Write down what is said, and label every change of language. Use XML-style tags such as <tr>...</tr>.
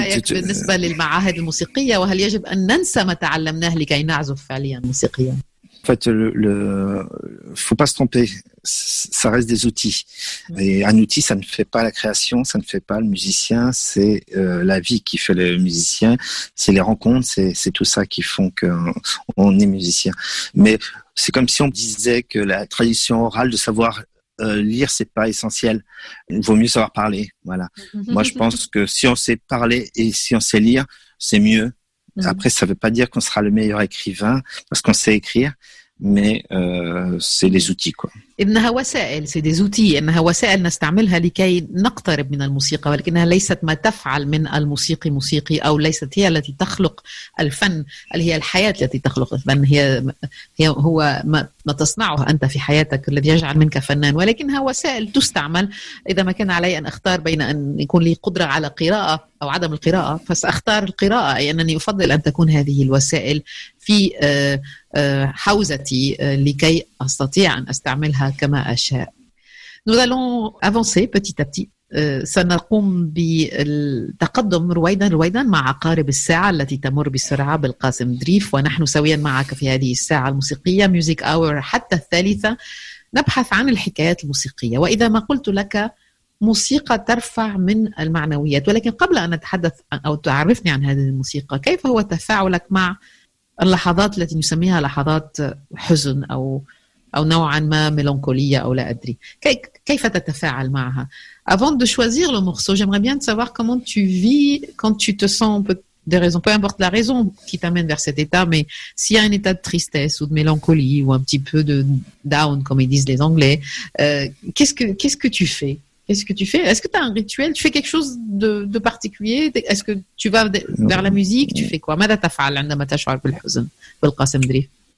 <ar>بالنسبة للمعاهد الموسيقية وهل يجب أن ننسى ما تعلمناه لكي نعزف فعليا موسيقيا؟</ar> <fr>En fait, le faut pas se tromper. Ça reste des outils. Et un outil, ça ne fait pas la création, ça ne fait pas le musicien, c'est la vie qui fait le musicien, c'est les rencontres, c'est tout ça qui font qu'on est musicien. Mais c'est comme si on disait que la tradition orale de savoir lire, c'est pas essentiel. Il vaut mieux savoir parler. Voilà. Moi, je pense que si on sait parler et si on sait lire, c'est mieux. Après, ça veut pas dire qu'on sera le meilleur écrivain parce qu'on sait écrire. Mais c'est les outils quoi.</fr> <ar>إنها وسائل،</ar> <fr>c'est des outils.</fr> <ar>إنها وسائل نستعملها لكي نقترب من الموسيقى، ولكنها ليست ما تفعل من الموسيقي موسيقي، أو ليست هي التي تخلق الفن، اللي هي الحياة التي تخلق الفن، هي هو ما تصنعه أنت في حياتك الذي يجعل منك فنان، ولكنها وسائل تستعمل. إذا ما كان علي أن أختار بين أن يكون لي قدرة على قراءة أو عدم القراءة، فسأختار القراءة، أي أنني أفضل أن تكون هذه الوسائل في حوزتي لكي أستطيع أن أستعملها كما أشاء.</ar> <fr>Nous allons avancer petit à petit.</fr> <ar>سنقوم بالتقدم رويدا مع عقارب الساعة التي تمر بسرعة بالقاسم دريف، ونحن سويا معك في هذه الساعة الموسيقية Music Hour حتى الثالثة نبحث عن الحكايات الموسيقية. وإذا ما قلت لك موسيقى ترفع من المعنويات، ولكن قبل أن أتحدث أو تعرفني عن هذه الموسيقى، كيف هو تفاعلك مع اللحظات التي نسميها لحظات حزن أو نوعا ما ميلانكولية أو لا أدري، كيف تتفاعل معها؟</ar> <fr>Avant de choisir le morceau, j'aimerais bien savoir comment tu vis quand tu te sens des raisons, peu importe la raison qui t'amène vers cet état, mais s'il y a un état de tristesse ou de mélancolie ou un petit peu de down, comme ils disent les Anglais, qu'est-ce que tu fais? Qu'est-ce que tu fais? Est-ce que tu as un rituel? Tu fais quelque chose de particulier? Est-ce que tu vas vers la musique? Tu fais quoi?</fr> <ar>ماذا تفعل عندما تشعر بالحزن بالقسم دري؟</ar>